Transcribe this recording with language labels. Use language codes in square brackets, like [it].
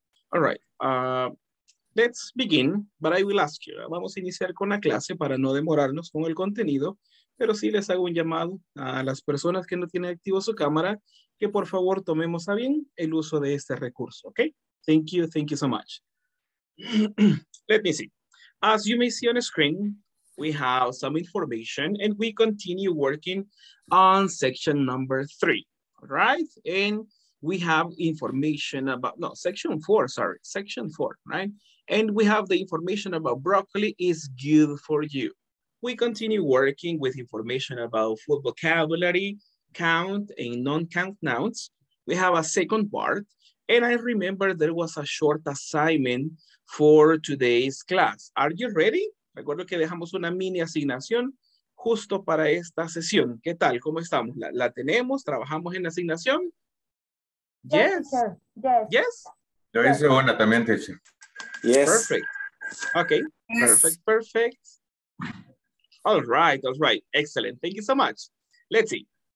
[en] All right, let's begin, but I will ask you. [es] Vamos a iniciar con la clase para no demorarnos con el contenido, pero sí les hago un llamado a las personas que no tienen activo su cámara, que por favor tomemos a bien el uso de este recurso, okay? [en] Thank you so much. Let me see. As you may see on the screen, we have some information and we continue working on section number 3, right? And we have information about, no, section 4, sorry, section 4, right? And we have the information about broccoli is good for you. We continue working with information about food vocabulary, count and non-count nouns. We have a second part. And I remember there was a short assignment for today's class. Are you ready? [es] Recuerdo que dejamos una mini asignación justo para esta sesión. ¿Qué tal? ¿Cómo estamos? ¿La tenemos? ¿Trabajamos en la asignación? [en] Yes. Yes. [es] Yo hice una también, teacher. [en] Yes. Perfect. Okay. Yes. Perfect, perfect. All right, excellent. Thank you so much. Let's see.